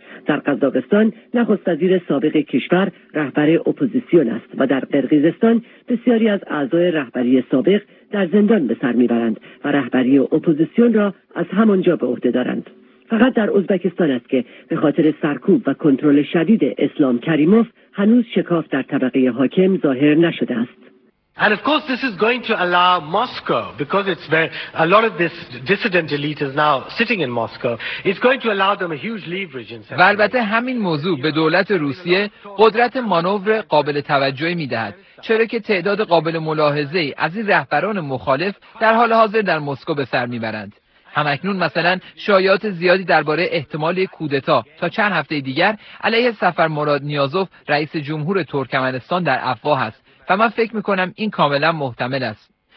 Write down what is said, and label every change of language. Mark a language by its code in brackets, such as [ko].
[fa] در قزاقستان نخست وزیر سابق کشور رهبر اپوزیسیون است و در قرقیزستان بسیاری از اعضای رهبری سابق در زندان به سر می‌برند و رهبری اپوزیسیون را از همانجا به عهده دارند. فقط در ازبکستان است که به خاطر سرکوب و کنترل شدید اسلام کریموف هنوز شکاف در طبقه حاکم ظاهر نشده است. [en] And of course this is going to allow Moscow, because it's where a lot of this dissident elite is now sitting in Moscow, it's going to allow them a huge leverage in [fa] و البته همین موضوع به دولت روسیه قدرت مانور قابل توجهی میدهد، چرا که تعداد قابل ملاحظه ای از این رهبران مخالف در حال حاضر در مسکو به سر میبرند. همکنون مثلا شایعات زیادی درباره احتمال کودتا تا چند هفته دیگر علیه سفر مراد نیازوف رئیس جمهور ترکمنستان در افواه است و من فکر میکنم این کاملا محتمل است.